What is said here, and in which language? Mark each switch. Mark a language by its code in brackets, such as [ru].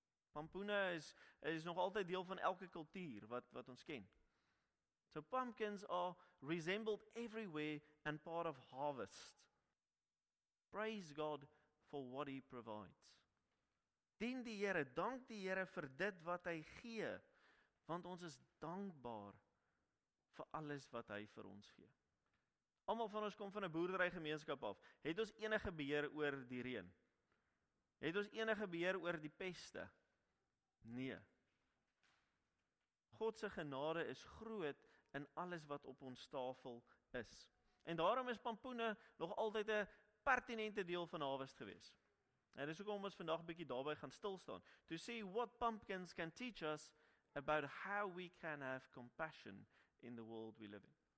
[af] Pampoene is nog altyd deel van elke kultuur wat ons ken. [en] So pumpkins are resembled everywhere and part of harvest. Praise God for what he provides. [af] Dien die Here, dank die Here vir dit wat hy gee, want ons is dankbaar vir alles wat hy vir ons gee. Almal van ons kom van 'n boerderygemeenskap af. Het ons enige beheer oor die reën? Het ons enige beheer oor die peste? Nee. God se genade is groot in alles wat op ons tafel is. En daarom is pampoene nog altyd 'n pertinente deel van Harvest gewees. En dis hoekom ons vandag 'n bietjie daarby gaan stil staan. [en] To see what pumpkins can teach us about how we can have compassion in the world we live in.